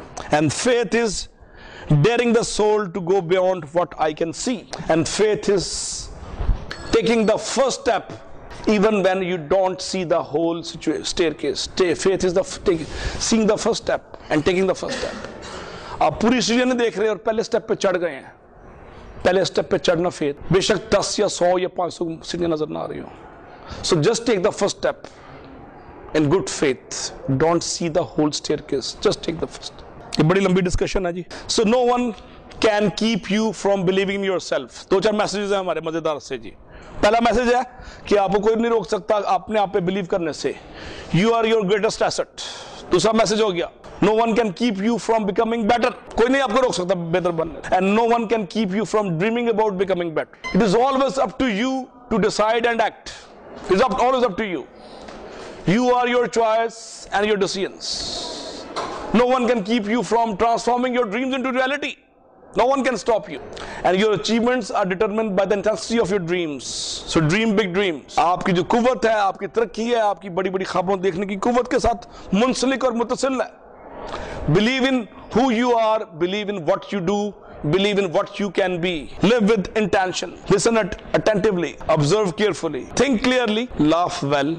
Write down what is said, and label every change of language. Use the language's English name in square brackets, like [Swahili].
[English] And faith is daring the soul to go beyond what I can see. And faith is taking the first step even when you don't see the whole staircase. Faith is the seeing the first step and taking the first step. [Urdu] آپ پوری سیڑھی نہیں دیکھ رہے اور پہلے step پہ چڑھ گئے ہیں. پہلے اسٹیپ پہ چڑھنا فیتھ, بے شک 10 یا 100 یا 500 سیڑھیاں نظر نہ آ رہی ہوں. [English] So just take the first step in good faith, don't see the whole staircase. Just take the first. [Urdu] یہ بڑی لمبی ڈسکشن ہے جی. [English] So no one can keep you from believing in yourself. [Urdu] دو چار میسیجز ہیں ہمارے مزیدار سے جی. پہلا میسج ہے کہ آپ کو کوئی نہیں روک سکتا اپنے آپ پہ بلیو کرنے سے, [English] You are your greatest asset. [Urdu] دوسرا میسج ہو گیا, [English] No one can keep you from becoming better. [Urdu] کوئی نہیں آپ کو روک سکتا بہتر بننے. [English] And no one can keep you from dreaming about becoming better. It is always up to you to decide and act. Is always up to you. You are your choice and your decisions. No one can keep you from transforming your dreams into reality. No one can stop you. And your achievements are determined by the intensity of your dreams. So dream big dreams. [Urdu] آپ کی جو قوت ہے, آپ کی ترقی ہے, آپ کی بڑی بڑی خوابوں دیکھنے کی قوت کے ساتھ منسلک اور متصل ہے. [English] Believe in who you are. Believe in what you do. Believe in what you can be. Live with intention. Listen attentively. Observe carefully. Think clearly. Laugh well.